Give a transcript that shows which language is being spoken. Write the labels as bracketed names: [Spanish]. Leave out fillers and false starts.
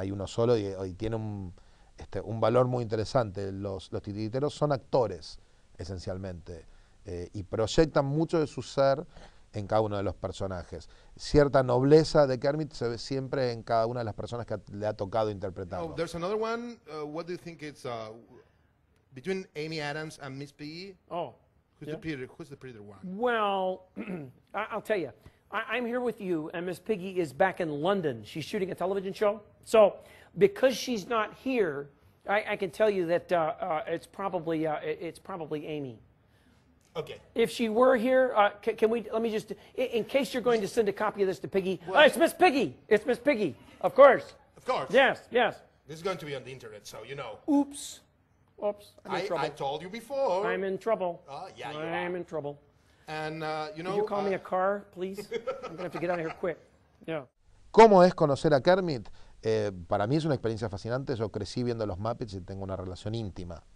[Spanish] Hay uno solo y tiene un valor muy interesante. Los titiriteros son actores, esencialmente, y proyectan mucho de su ser en cada uno de los personajes. Cierta nobleza de Kermit se ve siempre en cada una de las personas que le ha tocado interpretarlo. [English] Oh, there's another one. What do you think it's between Amy Adams and Miss Piggy? Oh, who's the prettier? Who's the prettier one? Well, I'll tell you. I'm here with you, and Miss Piggy is back in London. She's shooting a television show. So, because she's not here, I can tell you that it's probably Amy. Okay. If she were here, can we, let me just, in case you're going to send a copy of this to Piggy. It's Miss Piggy. It's Miss Piggy. Of course. Of course. Yes. This is going to be on the internet, so you know. Oops. I'm in trouble. I told you before. I'm in trouble. Yeah, you are. I'm in trouble. And, you know. Can you call me a car, please? I'm going to have to get out of here quick. Yeah. [Spanish] ¿Cómo es conocer a Kermit? Para mí es una experiencia fascinante. Yo crecí viendo los Muppets y tengo una relación íntima.